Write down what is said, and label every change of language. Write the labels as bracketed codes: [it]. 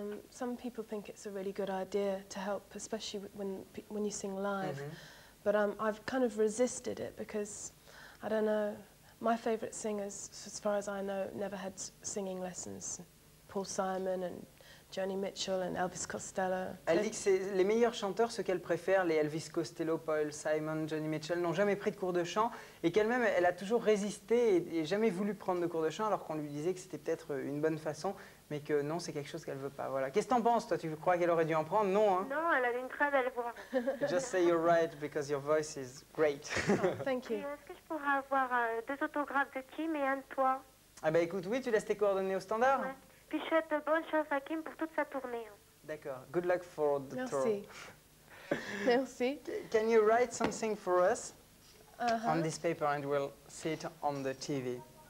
[en] Some people think it's a really good idea to help, especially when you sing live. Mm-hmm. But I've kind of resisted it because, I don't know, my favorite singers, as far as I know, never had singing lessons. Paul Simon and Joni Mitchell and Elvis Costello. [fr] Elle dit que c'est les meilleurs chanteurs, ceux qu'elle préfère, les Elvis Costello, Paul Simon, Joni Mitchell, n'ont jamais pris de cours de chant et qu'elle-même, elle a toujours résisté et jamais voulu prendre de cours de chant alors qu'on lui disait que c'était peut-être une bonne façon, mais que non, c'est quelque chose qu'elle ne veut pas. Voilà. Qu'est-ce que t'en penses, toi? Tu crois qu'elle aurait dû en prendre? Non, hein? Non, elle a une très belle voix. [en] Just say you're right because your voice is great. Oh, thank you. [fr] Et est-ce que je pourrais avoir deux autographes de Kim et un de toi? Ah ben écoute, oui, tu laisses tes coordonnées au standard. Ouais. Puis je souhaite bonne chance à Kim pour toute sa tournée. [en] D'accord. Good luck for the [fr] Merci. [en] Tour. [fr] Merci. [en] Can you write something for us on this paper and we'll see it on the TV?